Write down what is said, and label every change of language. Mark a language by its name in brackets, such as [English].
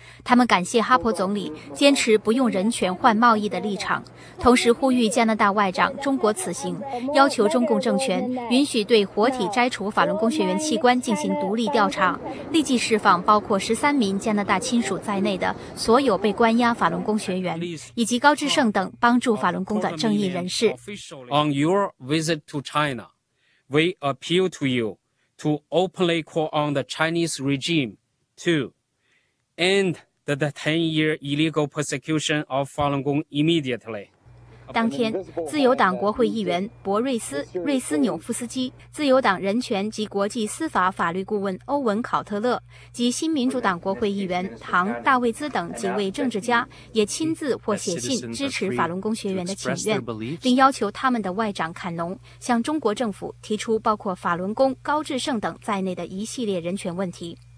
[Chinese] 他们感谢哈珀总理坚持不用人权换贸易的立场，同时呼吁加拿大外长中国此行要求中共政权允许对活体摘除法轮功学员器官进行独立调查，立即释放包括13名加拿大亲属在内的所有被关押法轮功学员，以及高志胜等帮助法轮功的正义人士。 [English] On your visit to China, we appeal to you to openly call on the Chinese regime toAnd the 10-year illegal persecution of Falun Gong immediately. [Chinese] 当天，自由党国会议员博瑞斯·瑞斯纽夫斯基、自由党人权及国际司法法律顾问欧文·考特勒及新民主党国会议员唐·大卫兹等几位政治家也亲自或写信支持法轮功学员的请愿，并要求他们的外长坎农向中国政府提出包括法轮功、高志胜等在内的一系列人权问题。